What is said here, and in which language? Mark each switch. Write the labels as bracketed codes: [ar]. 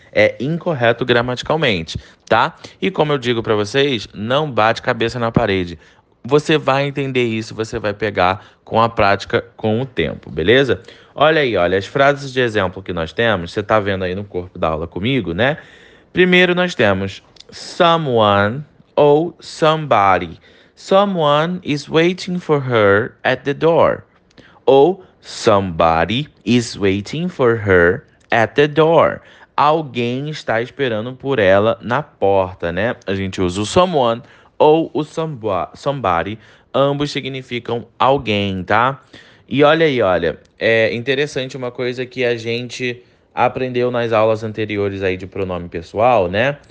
[pt] É incorreto gramaticalmente, tá? E como eu digo para vocês, não bate cabeça na parede. Você vai entender isso, você vai pegar com a prática, com o tempo, beleza? Olha aí, olha as frases de exemplo que nós temos. Você está vendo aí no corpo da aula comigo, né? Primeiro nós temos someone ou somebody. [en] Someone is waiting for her at the door. Ou somebody is waiting for her at the door. [pt] Alguém está esperando por ela na porta, né? A gente usa o someone ou o somebody, ambos significam alguém, tá? E olha aí, olha, é interessante uma coisa que a gente aprendeu nas aulas anteriores aí de pronome pessoal, né?